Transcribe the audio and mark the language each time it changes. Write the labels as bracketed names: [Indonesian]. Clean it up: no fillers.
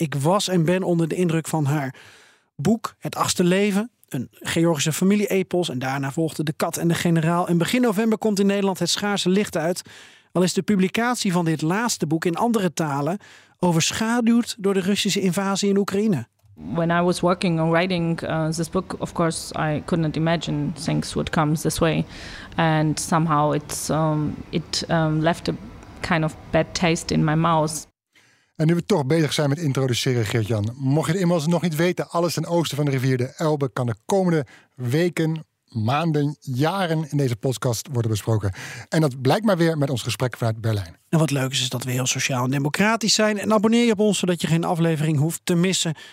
[Dutch] Ik was en ben onder de indruk van haar boek Het Achtste Leven, een Georgische familie-epos. En daarna volgde De Kat en de Generaal. En begin november komt in Nederland Het Schaarse Licht uit. Al is de publicatie van dit laatste boek in andere talen overschaduwd door de Russische invasie in Oekraïne. [English] When I was working on writing this book, of course I couldn't imagine things would come this way, and somehow it's left a kind of bad taste in my mouth. [Dutch] En nu we toch bezig zijn met introduceren, Geert-Jan, mocht je het inmiddels nog niet weten, alles ten oosten van de rivier de Elbe kan de komende weken, maanden, jaren in deze podcast worden besproken. En dat blijkt maar weer met ons gesprek vanuit Berlijn. En wat leuk is dat we heel sociaal en democratisch zijn. En abonneer je op ons, zodat je geen aflevering hoeft te missen.